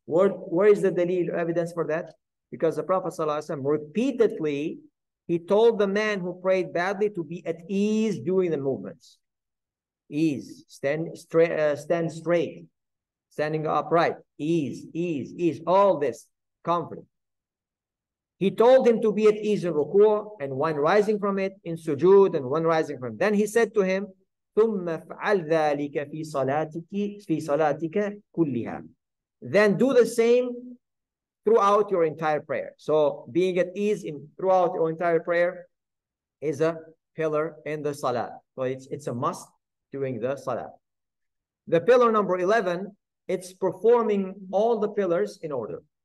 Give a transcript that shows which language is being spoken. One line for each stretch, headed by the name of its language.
English: Where is the dalil evidence for that? Because the Prophet ﷺ repeatedly, he told the man who prayed badly to be at ease doing the movements. Ease, stand straight, standing upright, ease, all this, comfort. He told him to be at ease in ruku' and one rising from it, in sujood and one rising from it. Then he said to him,
Arabic: ثُمَّ فَعَلْ ذَٰلِكَ فِي صَلَاتِكَ كُلِّهَا.
English: Then do the same throughout your entire prayer. So being at ease in throughout your entire prayer is a pillar in the salah. So it's a must during the salah. The pillar number 11, it's performing all the pillars in order.